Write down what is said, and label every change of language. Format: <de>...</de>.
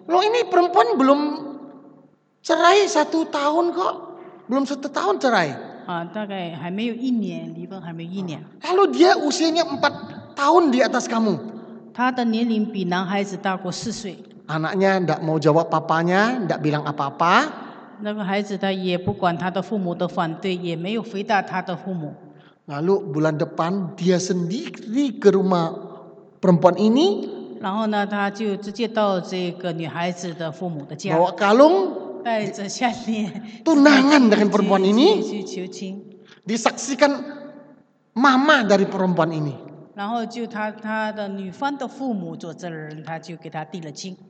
<id>Lo ini perempuan belum cerai satu tahun kok, belum satu tahun cerai.</id> <zh>大概还没有一年，离婚还没有一年。</zh> <id>Lalu dia usianya 4 tahun di atas kamu.</id> <zh>他的年龄比男孩子大过四岁。</zh> <id>Anaknya tidak mau jawab papanya, tidak bilang apa-apa.</id> <zh>那个孩子他也不管他的父母的反对，也没有回答他的父母。</zh> <id>Lalu bulan depan dia sendiri ke rumah perempuan ini.</id> <zh>然后呢，他就直接到这个女孩子的父母的家。</zh> <id>Bawa kalung.</id> <zh>带着项链，</zh> <id>tunangan dengan perempuan ini，</id> <zh>去求亲，</zh> <id>disaksikan mama dari perempuan ini，</id> <zh>然后就他的女方的父母做证人，他就给他递了亲。</zh>